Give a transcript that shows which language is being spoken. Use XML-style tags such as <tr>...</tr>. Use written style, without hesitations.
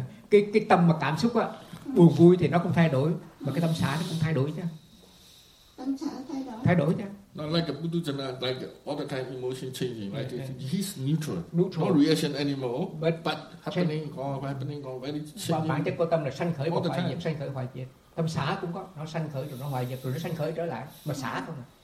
<vi>cái tâm mà cảm xúc á buồn vui thì nó cũng thay đổi, mà cái tâm xả nó cũng thay đổi chứ. Tâm xả thay đổi. Thay đổi chứ.</vi> <en>Not like a Buddhist, like all the time emotion changing, right? Yeah. He's neutral. Neutral. No reaction anymore. But happening or happening or very changing.</en> <vi>Và bản chất của tâm là sanh khởi và hoại diệt, sanh khởi hoại diệt. Tâm xả cũng có, nó sanh khởi rồi nó hoại diệt, rồi nó sanh khởi trở lại, mà xả không.</vi>